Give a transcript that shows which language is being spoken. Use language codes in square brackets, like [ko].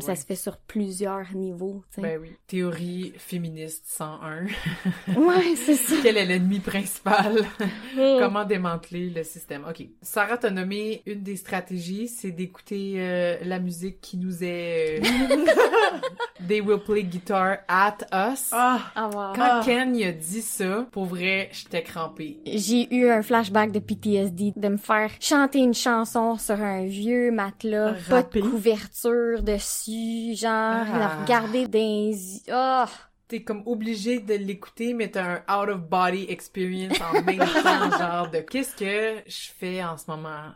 [fr] ça se fait sur plusieurs niveaux, t'sais. Ben oui. Théorie féministe 101. Ouais, c'est ça. Quel est l'ennemi principal? Comment démanteler le système? OK. Sarah t'a nommé une des stratégies, c'est d'écouter la musique qui nous est... [en] They will play guitar at us. Ah! Oh, wow. [fr] Quand Ken y a dit ça... Pour vrai, j'étais crampée. J'ai eu un flashback de PTSD, de me faire chanter une chanson sur un vieux matelas, rapper, pas de couverture dessus, genre, la regarder dans les yeux. T'es comme obligée de l'écouter, mais t'as un out-of-body experience en même temps, genre de qu'est-ce que je fais en ce moment?